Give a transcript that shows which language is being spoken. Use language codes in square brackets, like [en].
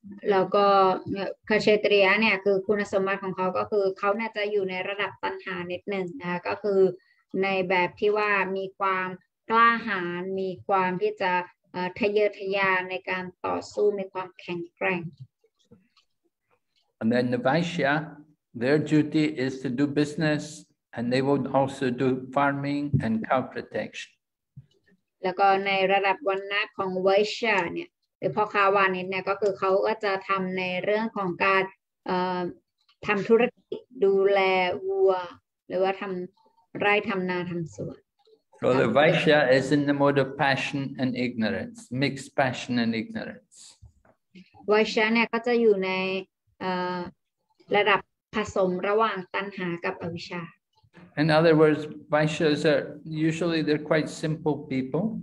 [th] แล้วก็คเชตริยะเนี่ยคือคุณสมบัติของเขาก็คือเขาน่าจะอยู่ในระดับตัณหานิดนึงนะก็คือในแบบที่ว่ามีความกล้าหาญมีความที่จะทะเยอทะยานในการต่อสู้มีความแข็งแกร่ง [en] And then the Vaishya their duty is to do businessAnd they would also do farming and cow protection. [th] แล้วก็ในระดับวรรณะของเวชเนี่ยหรือพ่อค้าวานิชเนี่ยก็คือเขาก็จะทำในเรื่องของการทำธุรกิจดูแลวัวหรือว่าทำ ไร่ทำนาทำสวน [en] So the Vaishya is in the mode of passion and ignorance, mixed passion and ignorance. [th] Vaishya เนี่ยก็จะอยู่ในระดับผสมระหว่างตัณหากับอวิชชา [en] In other words, Vaishyas are usually they're quite simple people.